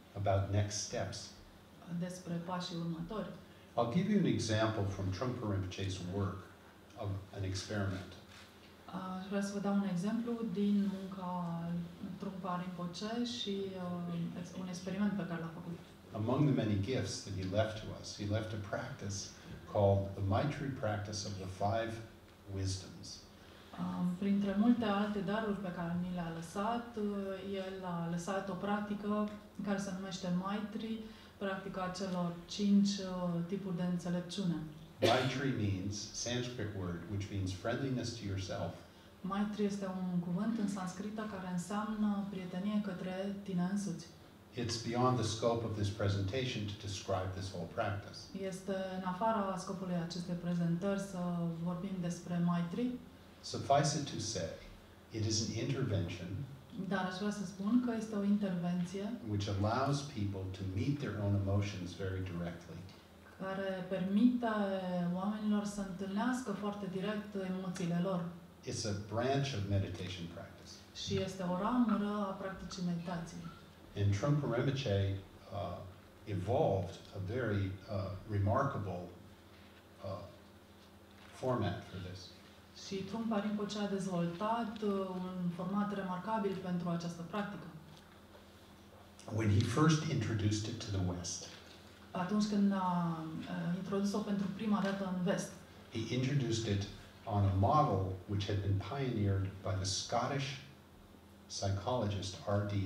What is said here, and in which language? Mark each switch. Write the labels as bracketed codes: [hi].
[en] About next steps. [ro] Despre pașii următori. [en] I'll give you an example from Trungpa Rinpoche's work of an experiment. [ro] Aș vrea să vă dau un exemplu din munca Trungpa Rinpoche și un experiment pe care l-a făcut. [en] Among the many gifts that he left to us, he left a practice called the Maitri practice of the five wisdoms. [ro] Printre multe alte daruri pe care ni le-a lăsat, el a lăsat o practică care se numește Maitri, practica celor cinci tipuri de înțelepciune. [en] Maitri means Sanskrit word which means friendliness to yourself. [ro] Maitri este un cuvânt în sanscrită care înseamnă prietenie către tine însuți. [en] It's beyond the scope of this presentation to describe this whole practice. [ro] Este în afara scopului acestei prezentări să vorbim despre Maitri. [en] Suffice it to say, it is an intervention. [ro] Dar aș vrea să spun că este o intervenție [en] which allows people to meet their own emotions very directly. [ro] Care permite oamenilor să întâlnească foarte direct emoțiile lor. [en] It's a branch of meditation practice. [ro] Și este o ramură a practicii meditației. [en] And Trungpa Rinpoche evolved a very remarkable format for this. [ro] Și Trungpa Rinpoche a dezvoltat un format remarcabil pentru această practică. [en] When he first introduced it to the West. [ro] Atunci când a introdus-o pentru prima dată în vest. [en] He introduced it on a model which had been pioneered by the Scottish psychologist R.D.